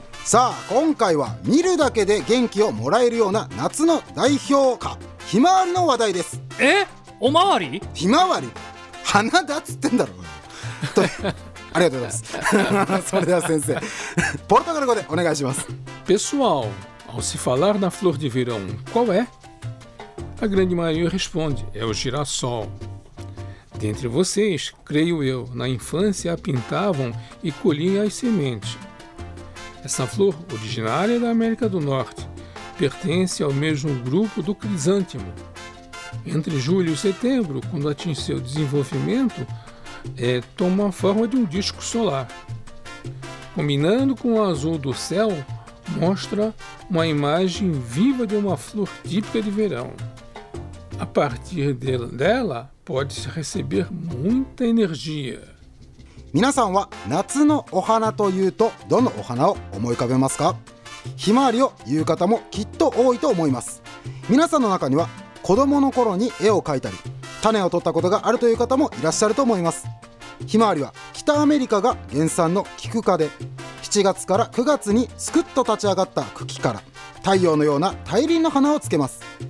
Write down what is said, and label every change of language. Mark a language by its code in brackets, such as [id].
[ja] さあ今回は見るだけで元気をもらえるような夏の代表花ひまわりの話題です。え、おまわり、ひまわり花だっつってんだろとありがとうございますそれでは先生ポルトガル語でお願いします。 [pt] Pessoal, ao se falar na flor de verão, qual é? A grande maioria responde, é o girassol. Dentre vocês, creio eu, na infância a pintavam e colhiam as sementes. Essa flor, originária da América do Norte, pertence ao mesmo grupo do crisântemo. Entre julho e setembro, quando atinge seu desenvolvimento, toma a forma de um disco solar. Combinando com o azul do céu, mostra uma imagem viva de uma flor típica de verão. A partir dela, pode-se receber muita energia. [ja] 皆さんは夏のお花というとどのお花を思い浮かべますか？ひまわりを言う方もきっと多いと思います。皆さんの中には子どもの頃に絵を描いたり種を取ったことがあるという方もいらっしゃると思います。ひまわりは北アメリカが原産のキク科で、7月から9月にすくっと立ち上がった茎から太陽のような大輪の花をつけます。